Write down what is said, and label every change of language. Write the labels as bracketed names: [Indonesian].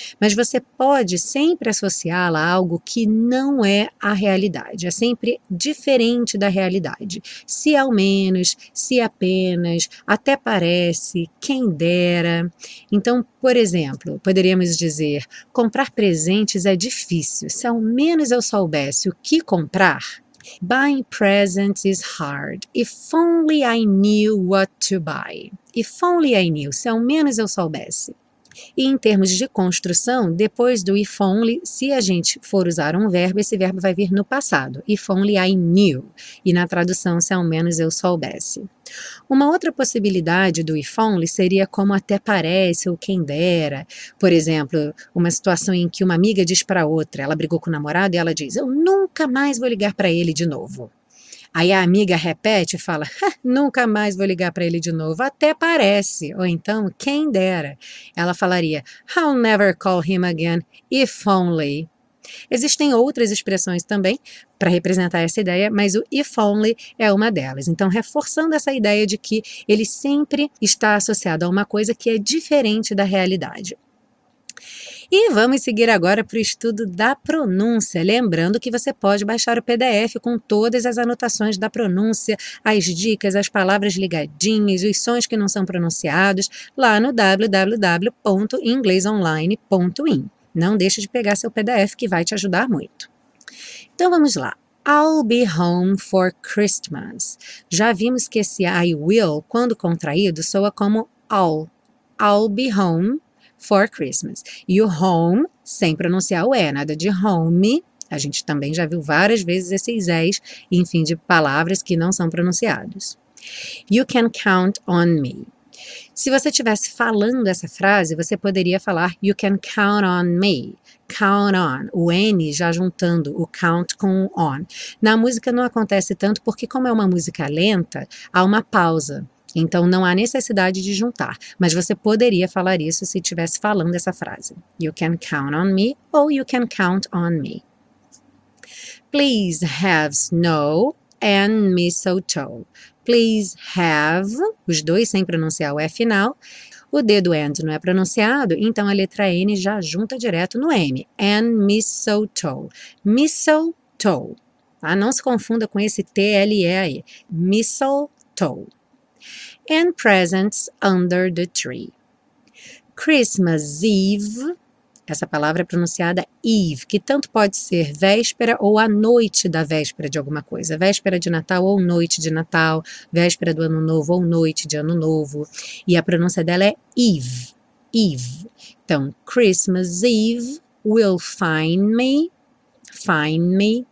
[Portuguese] Mas você pode sempre associá-la a algo que não é a realidade. É sempre diferente da realidade. Se ao menos, se apenas, até parece, quem dera. Então, por exemplo, poderíamos dizer: comprar presentes é difícil. Se ao menos eu soubesse o que comprar. [English] Buying presents is hard. If only I knew what to buy. If only I knew, [Portuguese] se ao menos eu soubesse. E em termos de construção, depois do if only, se a gente for usar um verbo, esse verbo vai vir no passado. [English] If only I knew. [Portuguese] E na tradução, se ao menos eu soubesse. Uma outra possibilidade do if only seria como até parece ou quem dera. Por exemplo, uma situação em que uma amiga diz para outra, ela brigou com o namorado e ela diz: eu nunca mais vou ligar para ele de novo. Aí a amiga repete e fala: nunca mais vou ligar para ele de novo, até parece. Ou então, quem dera. Ela falaria: [English] I'll never call him again, if only. [Portuguese] Existem outras expressões também para representar essa ideia, mas o if only é uma delas. Então, reforçando essa ideia de que ele sempre está associado a uma coisa que é diferente da realidade. E vamos seguir agora para o estudo da pronúncia. Lembrando que você pode baixar o PDF com todas as anotações da pronúncia, as dicas, as palavras ligadinhas, os sons que não são pronunciados, lá no www.inglesonline.in. Não deixe de pegar seu PDF que vai te ajudar muito. Então vamos lá. [English] I'll be home for Christmas. [Portuguese] Já vimos que esse I will, quando contraído, soa como all. [English] I'll be home for Christmas. [Portuguese] E o home, sem pronunciar o E, nada de home. A gente também já viu várias vezes esses Es, enfim, de palavras que não são pronunciados. [English] You can count on me. [Portuguese] Se você estivesse falando essa frase, você poderia falar [English] You can count on me. [Portuguese] Count on, o N já juntando o count com o on. Na música não acontece tanto porque, como é uma música lenta, há uma pausa. Então não há necessidade de juntar. Mas você poderia falar isso se estivesse falando essa frase. [English] You can count on me ou you can count on me. Please have snow and mistletoe. Please have, [Portuguese] os dois sem pronunciar o E final. O dedo and não é pronunciado, então a letra N já junta direto no M. [English] And mistletoe. Mistletoe. Tá? [Portuguese] Não se confunda com esse TLE aí. [English] Mistletoe. And presents under the tree. Christmas Eve. [Portuguese] Essa palavra é pronunciada Eve, que tanto pode ser véspera ou a noite da véspera de alguma coisa. Véspera de Natal ou noite de Natal. Véspera do Ano Novo ou noite de Ano Novo. E a pronúncia dela é Eve. Eve. Então, [English] Christmas Eve will find me. Find me.